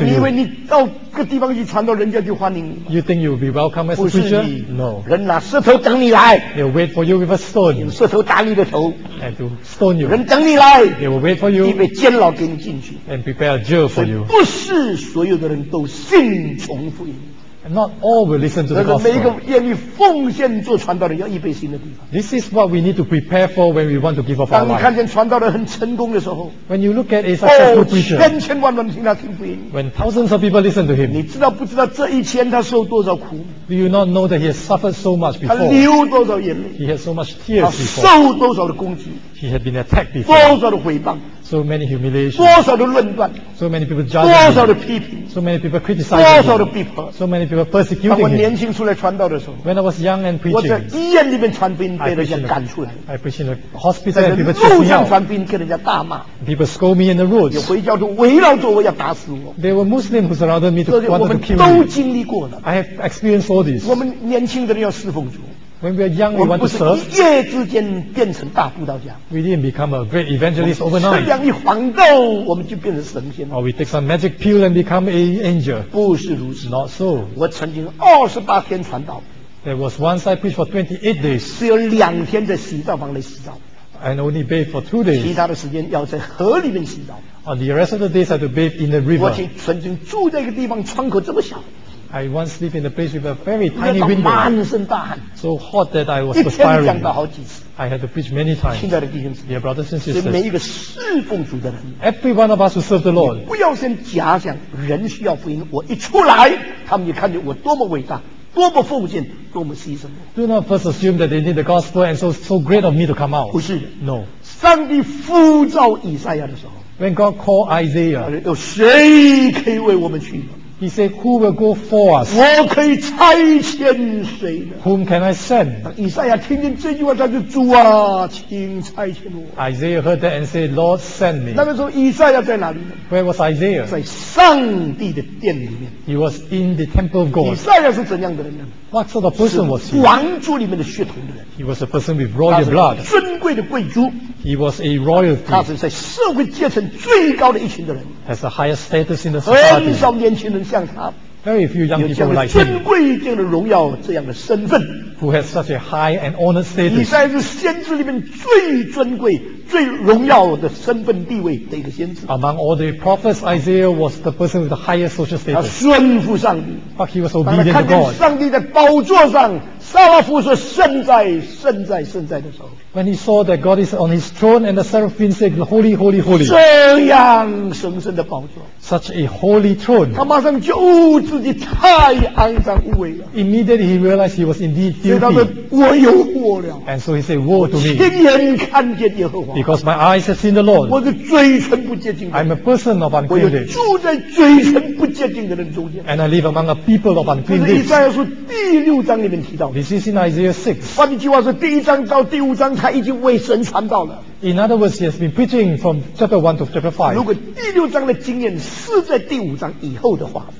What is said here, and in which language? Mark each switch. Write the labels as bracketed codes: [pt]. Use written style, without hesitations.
[zh] 那么你以为你到个地方去传道，人家就欢迎你吗 [en] ？You think you will be welcome as a preacher? No. [zh] 人拿石头等你来。 [en] They'll wait for you with a stone. [zh] 用石头打你的头。 [en] And to stone you. [zh] 人等你来。 [en] They will wait for you. [zh] 预备监牢给你进去。 [en] And prepare a jail for you. [zh] 不是所有的人都信从福音。 [en] Not all will listen to the gospel. [zh] 每一个愿意奉献做传道的人要预备新的地方。 [en] This is what we need to prepare for when we want to give up our life. [zh] 当你看见传道的人很成功的时候 [en] ，When you look at a successful preacher, [zh] 千千万万听他听福音。 [en] When thousands of people listen to him, [zh] 你知道不知道这一千他受多少苦 [en] ？Do you not know that he has suffered so much before? [zh] 他流多少眼泪 [en] ？He had so much tears before. [zh] 他受多少的攻击 [en] ？He had been attacked before. [zh] 多少的毁谤？ [en] So many humiliations. [zh] 多少的论断 [en] ？So many people judging. [zh] 多少的批评 [en] ？So many people criticizing. [zh] 多少的逼迫 [en] ？So many people persecuting. [zh] 当我年轻出来传道的时候 [en] ，When I was young and preaching. [zh] 我在医院里面传福音，被人家赶出来。 [en] I preached in the hospital and people chased me out. [zh] 在路上传福音，被人家大骂。 [en] People scold me in the roads. [zh] 有回教徒围绕着我，要打死我。 [en] There were Muslims who surrounded me to want to kill me. [zh] 我们都经历过了。 [en] I have experienced all this. [zh] 我们年轻的人要侍奉主。 [en] When we are young, we want to serve. [zh] 我们不是一夜之间变成大布道家。 [en] We didn't become a great evangelist overnight. [zh] 吃两粒黄豆，我们就变成神仙了。 [en] Or we take some magic pill and become an angel. [zh] 不是如此。 [en] Not so. [zh] 我曾经28天传道。 [en] There was once I preached for 28 days. [zh] 只有两天在洗澡房里洗澡。 [en] And only bathe for 2 days. [zh] 其他的时间要在河里面洗澡。 [en] On the rest of the days, I had to bathe in the river. [zh] 我曾经住在一个地方，窗口这么小。 [en] I once slept in a place with a very tiny window. [zh] 满身大汗 [en] so hot that I was perspiring. [zh] 一天讲到好几次 [en] I had to preach many times. [zh] 亲爱的弟兄姊妹 [en] Dear brothers and sisters. [zh] 每一个侍奉主的人 [en] Every one of us who serve the Lord. [zh] 不要先假想人需要福音我一出来他们就看见我多么伟大多么奉献多么牺牲 [en] Do not first assume that they need the gospel and so great of me to come out. [zh] 不是 [en] No. [zh] 上帝呼召以赛亚的时候 [en] When God called Isaiah. [zh] 有谁可以为我们去 [en] He said, "Who will go for us?" [zh] 我可以差遣谁呢 [en] ？Whom can I send? [zh] 以赛亚听见这句话，他就主啊，请差遣我。 [en] Isaiah heard that and said, "Lord, send me." [zh] 那个时候，以赛亚在哪里呢 [en] ？Where was Isaiah? [zh] 在上帝的殿里面。 [en] He was in the temple of God. [zh] 以赛亚是怎样的人呢 [en] ？What sort of person was he? [zh] 王族里面的血统的人。 [en] He was a person with royal blood. [zh] 尊贵的贵族。 [en] He was a royalty. [zh] 他是在社会阶层最高的一群的人。 [en] Has the highest status in the society. [zh] 很少年轻人。像他 [en] Very few young people [zh] 有这样的尊贵、这样的荣耀、这样的身份 [en] ，Who has such a high and honored status？ [zh] 以赛亚是先知里面最尊贵、最荣耀的身份地位的一个先知。 [en] Among all the prophets, Isaiah was the person with the highest social status. [zh] 他顺服上帝 [en] ，But he was obedient to God. [zh] 当他看见上帝在宝座上，撒拉夫说：“圣哉，圣哉，圣哉”的时候。 [en] When he saw that God is on his throne and the seraphim said, "Holy, holy, holy." [zh] 这样神圣的宝座。 [en] Such a holy throne. [zh] 他马上觉悟自己太肮脏污秽了。 [en] Immediately he realized he was indeed filthy. [zh] 所以他说我有祸了。 [en] And so he said, "Woe to me." [zh] 亲眼看见耶和华。 [en] Because my eyes have seen the Lord. [zh] 我的嘴唇不洁净。 [en] I'm a person of unclean lips. [zh] 我住在嘴唇不洁净的人中间。 [en] And I live among a people of unclean lips. [zh] 这是以赛亚书第六章里面提到的。 [en] This is in Isaiah 6. [zh] 换句话说，第一章到第五章他已经为神传道了。 [en] In other words, he has been preaching from chapter 1 to chapter 5. [zh] 如果第六章的经验是在第五章以后的话